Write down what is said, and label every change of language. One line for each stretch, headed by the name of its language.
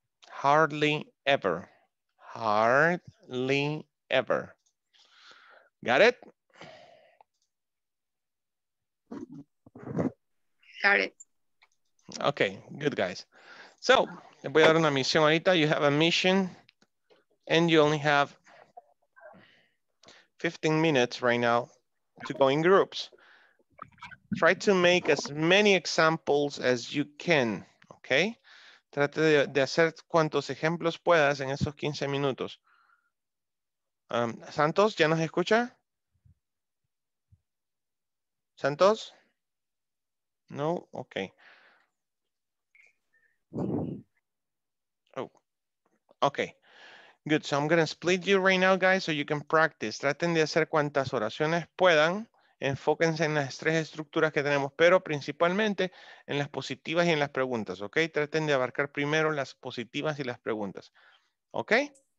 English: Hardly ever. Hardly ever. Got it? Got it. Okay, good guys.
Spanish: So, les voy a dar una misión ahorita.
English: You have a mission and you only have 15 minutes right now to go in groups. Try to make as many examples as you can, okay?
Spanish: Trate de hacer cuantos ejemplos puedas en esos 15 minutos. Santos, ¿ya nos escucha?
English: Santos? No, okay. Oh, okay. Good, so I'm gonna split you right now, guys, so you can practice.
Spanish: Traten de hacer cuantas oraciones puedan. Enfóquense en las tres estructuras que tenemos, pero principalmente en las positivas y en las preguntas, okay? Traten de abarcar primero las positivas y las preguntas, okay?